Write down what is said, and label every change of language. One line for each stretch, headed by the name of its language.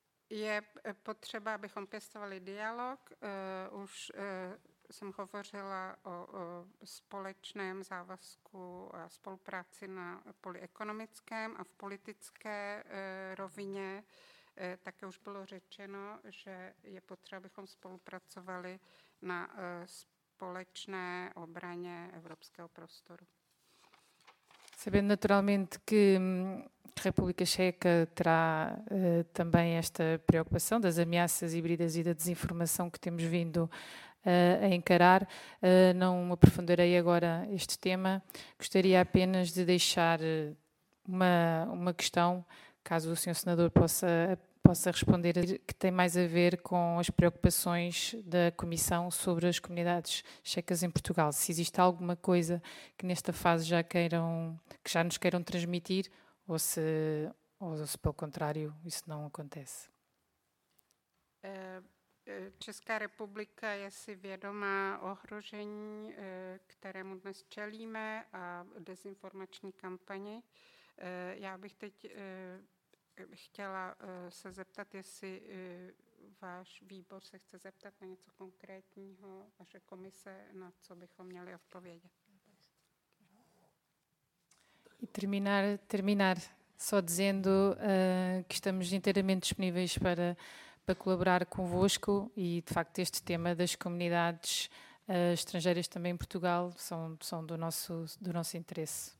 Czech: Je potřeba, abychom pěstovali dialog. Už jsem hovořila o společném závazku a spolupráci na poli ekonomickém a v politické rovině. Také už bylo řečeno, že je potřeba, abychom spolupracovali na společné obraně evropského prostoru.
Portuguese: Sabendo naturalmente que a República Checa terá também esta preocupação das ameaças híbridas e da desinformação que temos vindo a encarar, não aprofundarei agora este tema. Gostaria apenas de deixar uma questão, caso o Sr. Senador possa responder, que tem mais a ver com as preocupações da Comissão sobre as comunidades checas em Portugal. Se existe alguma coisa que nesta fase já nos queiram transmitir, ou se pelo contrário isso não acontece.
Czech: Česká republika je si vědomá ohrožení, kterému dnes čelíme, a dezinformační kampani. Já bych teď chtěla se zeptat, jestli váš výbor se chce zeptat na něco konkrétního, vaše komise, na co bychom měli odpovědět.
Portuguese: E terminar só dizendo que estamos inteiramente disponíveis para colaborar convosco e, de facto, este tema das comunidades estrangeiras também em Portugal são do nosso interesse.